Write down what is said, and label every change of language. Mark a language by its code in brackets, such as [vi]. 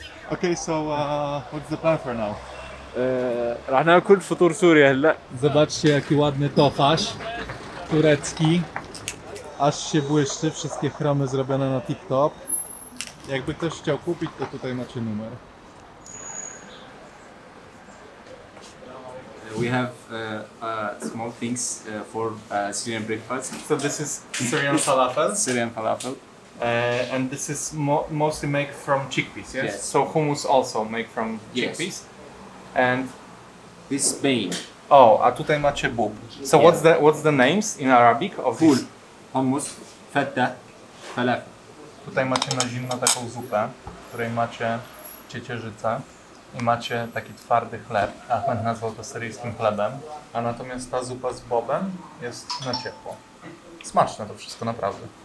[en] Okay, so what's the plan for now? [ar] راح ناكل فطور سوري هلا. [pl] Zobaczcie jaki ładny tofasz turecki. Aż się błyszczy, wszystkie chromy zrobione na TikTok. Jakby ktoś chciał kupić, to tutaj macie numer. [en] We have small things for Syrian breakfast. So this is Syrian falafel. Syrian falafel. And this is mostly made from chickpeas, yes? Yes. So hummus also made from chickpeas. Yes. And this bean. [pl] Oh, a tutaj macie bób. So [en] yeah. what's the names in Arabic of Ful. This? Hummus, feta, falafel. [pl] Tutaj macie na zimno taką zupę, w której macie ciecierzycę i macie taki twardy chleb. Ahmed nazwał to syryjskim chlebem. A natomiast ta zupa z bobem jest na ciepło. Smaczne to wszystko, naprawdę.